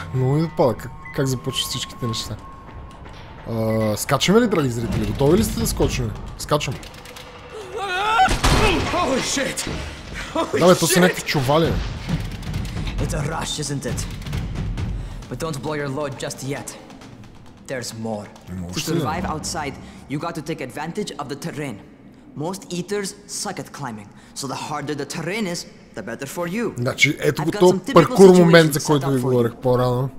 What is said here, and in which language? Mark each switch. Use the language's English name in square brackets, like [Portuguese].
[Bulgarian] Много ми допада, как започва всичките неща. Скачаме ли, драги зрители? Готови ли сте да скочим? Скачам. [English] Holy shit! [Bulgarian] Да, бе, то са някакви чували. [English] It's a rush, isn't it? But don't blow your load just yet. There's more. [Bulgarian] Може [English] to survive [Bulgarian] ли? [English] Outside, you got to take advantage of the terrain. Most eaters suck at climbing, so the harder the terrain is, the better for you. [Bulgarian] Значи, ето го този паркур момент, за който ви говорих по-рано.